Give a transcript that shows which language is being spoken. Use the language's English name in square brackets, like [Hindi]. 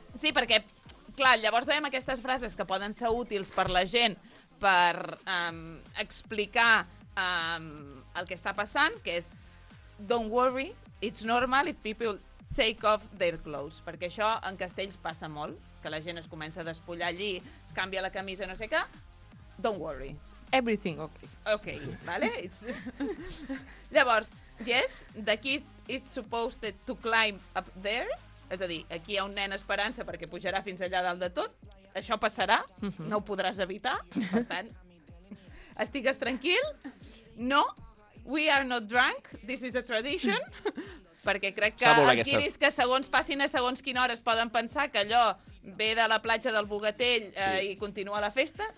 [Catalan] Sí, perquè... Clar, llavors dèiem aquestes frases que poden ser útils per la gent per explicar el que està passant, que és [English] don't worry, it's normal if people take off their clothes. [Catalan] Perquè això en castells passa molt, que la gent es comença a despullar allí, es canvia la camisa, no sé què. [English] Don't worry. Everything okay. Okay, vale? It's... Llavors, yes, the kid is supposed to climb up there. [Catalan] És a dir, aquí hi ha un nen esperança perquè pujarà fins allà dalt de tot. Això passarà, no ho podràs evitar. Per tant, estigues tranquil. [English] No, we are not drunk, this is a tradition. [Catalan] Perquè crec que els guiris que segons passin a segons quina hora es poden pensar que allò ve de la platja del Bogatell i continua la festa.